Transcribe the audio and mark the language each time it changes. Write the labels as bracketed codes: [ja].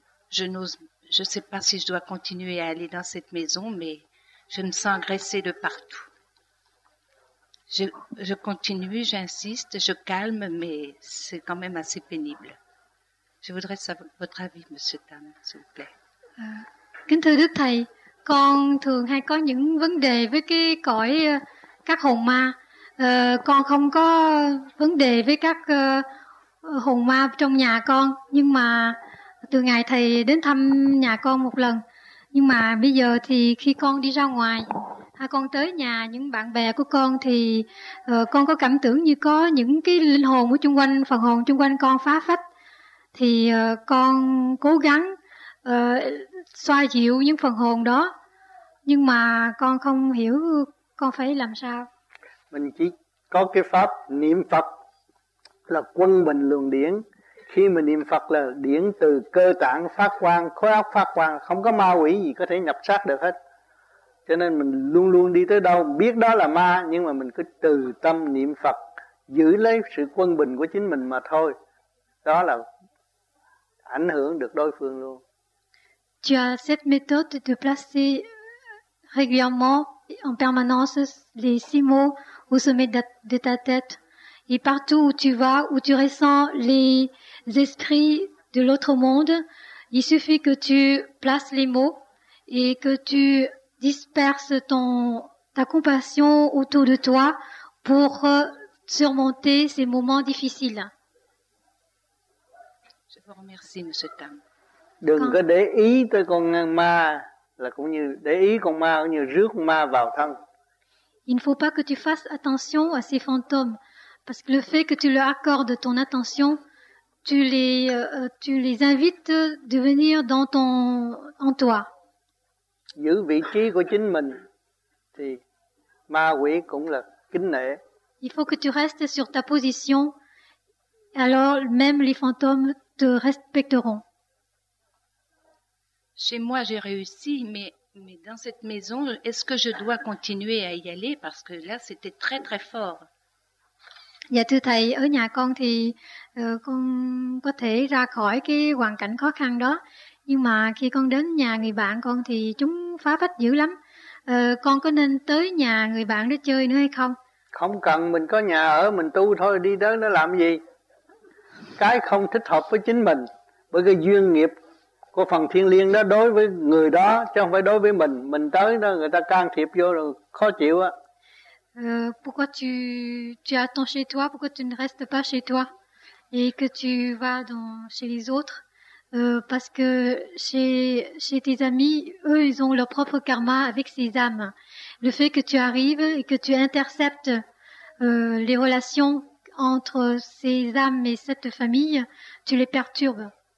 [fr] Je sais pas si je dois continuer à aller dans cette maison, mais je me sens agressée de partout. Je continue, j'insiste, je calme, mais c'est quand même assez pénible. Je voudrais savoir votre avis, Monsieur Tam, s'il vous plaît. [vi] Kính thưa Đức Thầy, con thường hay có những vấn đề với cái cõi các hồn ma. Con không có vấn đề với các hồn ma trong nhà con, nhưng mà từ ngày thầy đến thăm nhà con một lần, nhưng mà bây giờ thì khi con đi ra ngoài hay con tới nhà những bạn bè của con thì con có cảm tưởng như có những cái linh hồn ở chung quanh, phần hồn chung quanh con phá phách, thì con cố gắng xoa dịu những phần hồn đó, nhưng mà con không hiểu con phải làm sao? Mình chỉ có cái pháp niệm Phật là quân bình luồng điển. Khi mình niệm Phật là điển từ cơ tạng phát quang, khối óc phát quang, không có ma quỷ gì có thể nhập sát được hết. Cho nên mình luôn luôn đi tới đâu biết đó là ma, nhưng mà mình cứ từ tâm niệm Phật, giữ lấy sự quân bình của chính mình mà thôi. Đó là ảnh hưởng được đối phương luôn. [fr] Tu as cette méthode de placer régulièrement en permanence les six mots au sommet de ta tête. Et partout où tu vas, où tu ressens les esprits de l'autre monde, il suffit que tu places les mots et que tu disperses ta compassion autour de toi pour surmonter ces moments difficiles. Je vous remercie, Monsieur Tam. [vi] Đừng có để ý tới con ma, là cũng như để ý con ma cũng như rước ma vào thân. [fr] Il ne faut pas que tu fasses attention à ces fantômes. Parce que le fait que tu leur accordes ton attention, tu les invites de venir dans ton en toi. [vi] Giữ vị trí của chính mình thì ma quỷ cũng là kính nể. [fr] Il faut que tu restes sur ta position, alors même les fantômes te respecteront. Chez moi, j'ai réussi, mais dans cette maison, est-ce que je dois continuer à y aller parce que là, c'était très très fort. [vi] Dạ thưa thầy, ở nhà con thì con có thể ra khỏi cái hoàn cảnh khó khăn đó. Nhưng mà khi con đến nhà người bạn con thì chúng phá phách dữ lắm. Con có nên tới nhà người bạn đó chơi nữa hay không? Không cần, mình có nhà ở, mình tu thôi, đi tới nó làm gì? Cái không thích hợp với chính mình, bởi cái duyên nghiệp của phần thiên liêng đó đối với người đó, chứ không phải đối với mình. Mình tới đó người ta can thiệp vô rồi khó chịu á. [fr] Pourquoi tu attends chez toi? Pourquoi tu ne restes pas chez toi et que tu vas chez les autres? Parce que chez tes amis, eux, ils ont leur propre karma avec ces âmes. Le fait que tu arrives et que tu interceptes les relations entre ces âmes et cette famille, tu les perturbes.